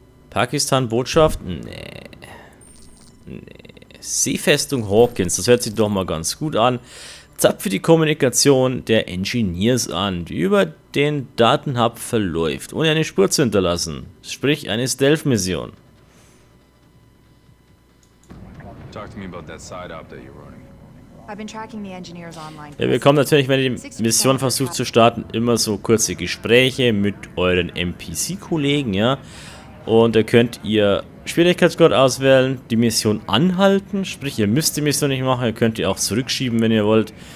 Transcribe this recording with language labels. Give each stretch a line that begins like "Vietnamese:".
German: Pakistan-Botschaft? Nee. Seefestung Hawkins, das hört sich doch mal ganz gut an. Zapfe die Kommunikation der Engineers an, die über den Datenhub verläuft, ohne eine Spur zu hinterlassen. Sprich, eine Stealth-Mission.
English: Talk to me about that side op that you're running. I've been tracking the engineers online.
German: Ja, wir bekommen natürlich, wenn ihr die Mission versucht zu starten, immer so kurze Gespräche mit euren NPC-Kollegen, ja. Und da könnt ihr Schwierigkeitsgrad auswählen, die Mission anhalten, sprich ihr müsst die Mission nicht machen, ihr könnt die auch zurückschieben, wenn ihr wollt.